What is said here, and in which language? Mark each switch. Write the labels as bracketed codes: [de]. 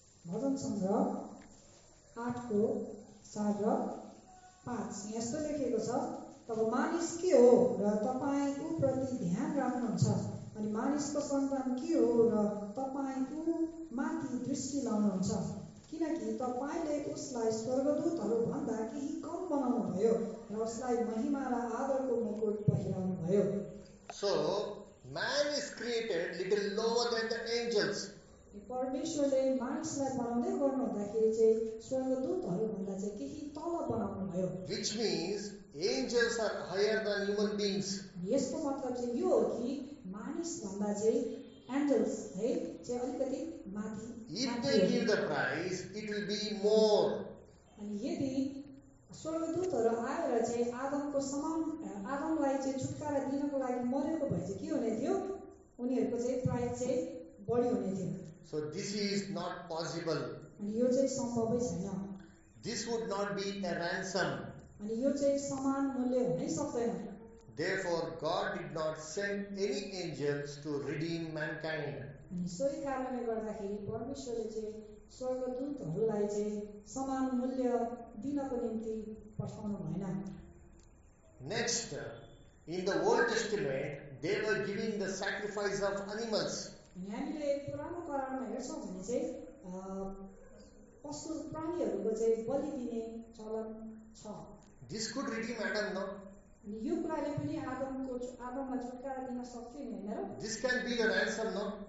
[ne] भजन संग्रह 8 4 र 5 यस्तो लेखिएको छ तब मानिस के हो र तपाईँ ऊ प्रति ध्यान राख्नुहुन्छ अनि मानिसको सन्तान के हो र तपाईँ ऊ माथि दृष्टि लाउनुहुन्छ किनकि तपाईँले उसलाई स्वर्गदूतहरू भन्दा केही कम बनाउनु भयो र उसलाई महिमा र आदरको मुकुट पहिराउनु भयो [en] so man is created little lower than the angels [ne] परमेश्वरले मानिसलाई बनाउँदै गर्नुहुँदाखेरि चाहिँ स्वर्गदूतहरू भन्दा चाहिँ केही तल बनाउनु भयो [en] Which means Angels are higher than human beings. [ne] यसको मतलब चाहिँ यो हो कि मानिस भन्दा चाहिँ angels है चाहिँ अलिकति माथि [en] If they give the price, it will be more. [ne] अनि यदि स्वर्गदूतहरू आएर चाहिँ आदमको समान आदमलाई चाहिँ छुटकारा दिनको लागि मरेको भए चाहिँ के हुने थियो उनीहरूको चाहिँ प्राइस चाहिँ बढी हुने थियो [en] So this is not possible. [ne] अनि यो चाहिँ सम्भवै छैन [en] This would not be a ransom. [ne] अनि यो चाहिँ समान मूल्य हुनै सक्दैन [en] Therefore God did not send any angels to redeem mankind. [ne] सोही कारणले गर्दाखेरि परमेश्वरले चाहिँ स्वर्गदूतहरूलाई चाहिँ समान मूल्य दिनको निम्ति पठाउनु भएन [en] Next in the Old Testament they were giving the sacrifice of animals. [ne] हामीले पुरानो करारमा हेर्छौ भने चाहिँ पशु प्राणीहरूको चाहिँ बलि दिने चलन छ [en] This could redeem Adam, no? [ne] यो कुराले पनि आदमको आदममा छुटकारा दिन सक्थ्यो नि हैन र [en] This can be the ransom, no?